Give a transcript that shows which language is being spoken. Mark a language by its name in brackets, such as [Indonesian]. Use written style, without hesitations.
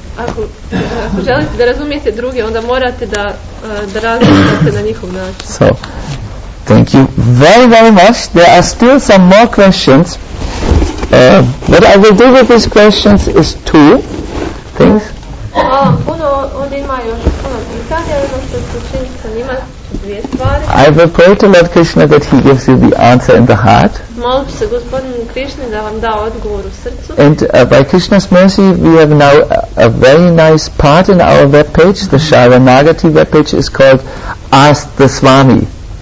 [Bosnian] Ako želite da razumijete druge, onda morate da razumijete na njihov način. [English] So, thank you very, very much. There are still some more questions. What I will do with these questions is two things. [Bosnian] Hvala puno, ovdje ima još puno pitanja, jedno što se čini sa njima, dvije stvari. [English] I will pray to Lord Krishna that he gives you the answer in the heart. [Bosnian] Molit ću se gospodinu Krišni da vam da odgovor u srcu. [English] And by Krishna's mercy we have now a very nice part in our webpage. The Sharanagati webpage is called Ask the Swami.